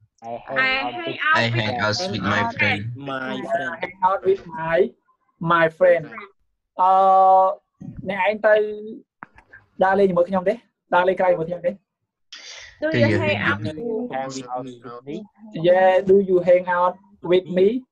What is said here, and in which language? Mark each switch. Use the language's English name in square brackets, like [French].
[English] I hang out with my friend. [Khmer] អ្នកឯងទៅដើរលេងជាមួយខ្ញុំទេដើរលេងក្រៅជាមួយខ្ញុំទេ [English] Do you hang out with me? Yeah, do you hang out with me?